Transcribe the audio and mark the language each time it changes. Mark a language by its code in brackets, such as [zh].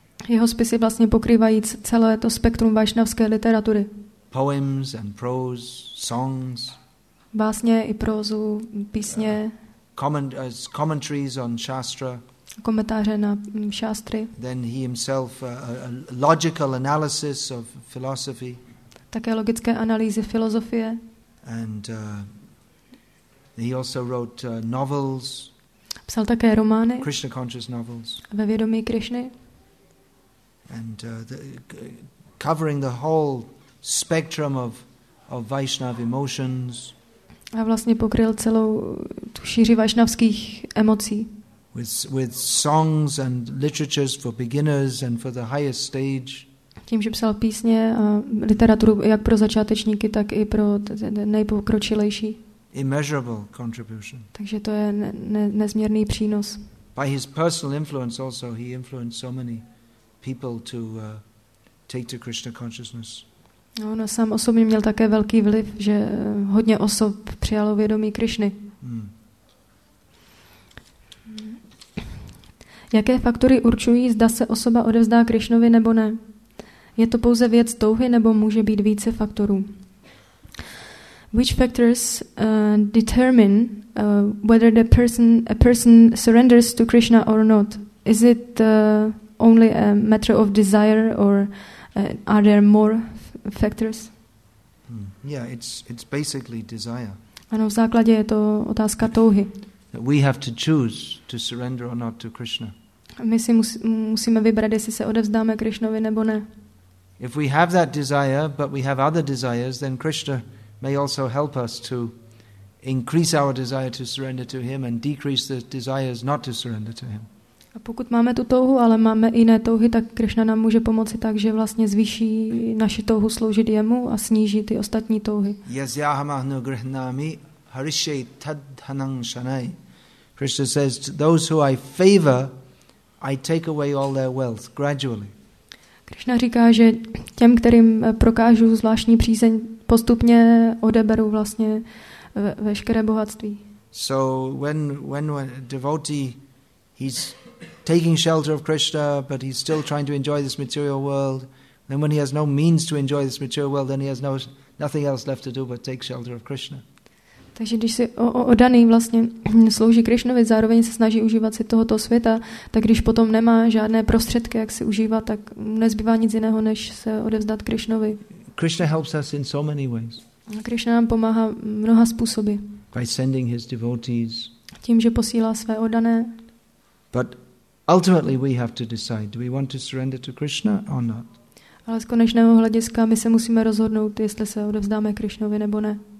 [cs] Jeho spisy vlastně pokrývají celé to spektrum vaishnavské literatury. [en] Poems and prose, songs. [cs] Básně i prózu, písně. [en] Commentaries on shastra. [cs] Komentáře na šástry. [en] Then he himself a logical analysis of philosophy. [cs] Také logické analýzy filozofie. [en] And he also wrote novels. [cs] Psal také romány. [en] Krishna conscious novels. [cs] Ve vědomí Krišny. [en] And covering the whole spectrum of Vaishnav emotions. [cs] A vlastně pokryl celou tu šíři vaishnavských emocí. [en] With songs and literatures for beginners and for the highest stage. [cs] Tím, že psal písně a literaturu jak pro začátečníky, tak i pro nejpokročilejší. [en] Immeasurable contribution. [cs] Takže to je nezměrný přínos. [en] By his personal influence also, he influenced so many people to take to Krishna consciousness. [cs] No, on sám osobně měl také velký vliv, že hodně osob přijalo vědomí Krišny. Hmm. Jaké faktory určují, zda se osoba odevzdá Krišnovi nebo ne? Je to pouze věc touhy nebo může být více faktorů? [en] Which factors determine whether a person surrenders to Krishna or not? Is it only a matter of desire or are there more factors? Yeah, it's basically desire. [cs] Ano, v základě je to otázka touhy. [en] We have to choose to surrender or not to Krishna. [cs] My si musíme vybrat, jestli se odevzdáme Krišnovi nebo ne. [en] If we have that desire, but we have other desires, then Krishna may also help us to increase our desire to surrender to him and decrease the desires not to surrender to him. [cs] A pokud máme tu touhu, ale máme jiné touhy, tak Krishna nám může pomoci tak, že vlastně zvýší naši touhu sloužit jemu a sníží ty ostatní touhy. [sa] Yasyahamahnu grihnami harishe tadhanang shanai. [en] Krishna says, to those who I favor, I take away all their wealth gradually. [cs] Krishna říká, že těm, kterým prokážu zvláštní přízeň, postupně odeberu vlastně veškeré bohatství. [en] So when a devotee he's taking shelter of Krishna, but he's still trying to enjoy this material world, then when he has no means to enjoy this material world, then he has no nothing else left to do but take shelter of Krishna. [cs] Takže když si oddaný vlastně slouží Krišnovi, zároveň se snaží užívat si tohoto světa, tak když potom nemá žádné prostředky, jak si užívat, tak nezbývá nic jiného, než se odevzdat Krišnovi. [en] Krishna helps us in so many ways. [cs] Krišna nám pomáhá mnoha způsoby. [en] By sending his devotees. [cs] Tím, že posílá své oddané. [en] But ultimately we have to decide, do we want to surrender to Krishna or not? [cs] Ale z konečného hlediska my se musíme rozhodnout, jestli se odevzdáme Krišnovi nebo ne.